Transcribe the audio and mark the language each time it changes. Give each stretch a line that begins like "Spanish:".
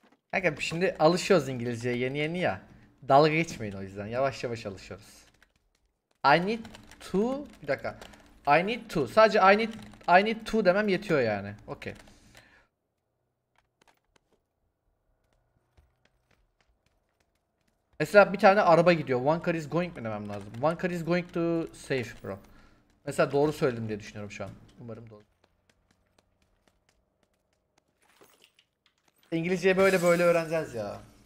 Turkish: Kanka şimdi alışıyoruz İngilizceye yeni yeni ya. Dalga geçmeyin o yüzden, yavaş yavaş alışıyoruz.
English: I need to,
Turkish: bir dakika.
English: I need to.
Turkish: Sadece
English: I need to
Turkish: demem yetiyor yani.
English: Okay.
Turkish: Mesela bir tane araba gidiyor.
English: One car is going
Turkish: mi demem lazım?
English: One car is going to safe bro.
Turkish: Mesela doğru söyledim diye düşünüyorum şu an. Umarım doğru. İngilizceyi böyle böyle öğreneceğiz ya.